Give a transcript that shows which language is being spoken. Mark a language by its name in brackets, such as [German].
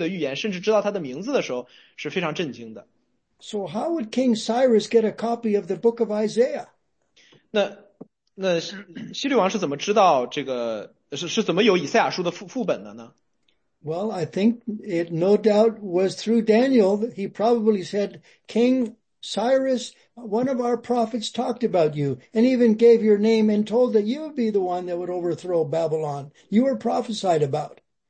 [Chinese] 那就是犹太的历史学家约瑟夫说啊，就是希律王其实当他知道以赛亚对耶稣的降生有一个非常明确的预言，甚至知道他的名字的时候，是非常震惊的。 [English] So how would King Cyrus get a copy of the book of Isaiah? [Chinese] 那希律王是怎么知道这个，是怎么有以赛亚书的副本的呢？ [English] Well, I think it no doubt was through Daniel that he probably said, King Cyrus, one of our prophets talked about you and even gave your name and told that you would be the one that would overthrow Babylon. You were prophesied about.